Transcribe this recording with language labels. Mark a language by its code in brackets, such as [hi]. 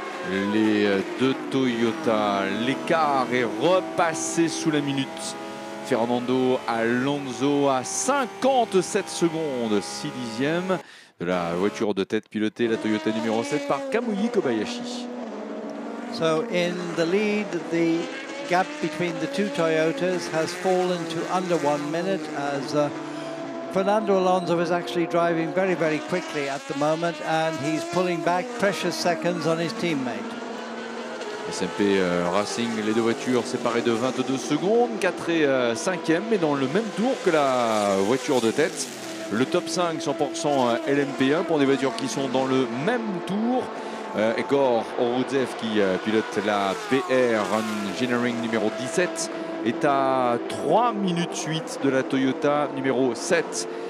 [fr] Les deux Toyota, l'écart est repassé sous la minute. Fernando Alonso à 57 secondes, 6 dixièmes. De la voiture de tête pilotée, la Toyota numéro 7 par Kamui Kobayashi. [en] So in the lead, the gap between the two Toyotas has fallen to under 1 minute as Fernando Alonso is actually driving very, very quickly at the moment and he's pulling back precious seconds on his teammate. [fr] SMP Racing, les deux voitures séparées de 22 secondes, 4 et 5e, mais dans le même tour que la voiture de tête. Le top 5, 100% LMP1 pour des voitures qui sont dans le même tour. Egor Orudzev qui pilote la BR Engineering numéro 17 est à 3 minutes 8 de la Toyota numéro 7.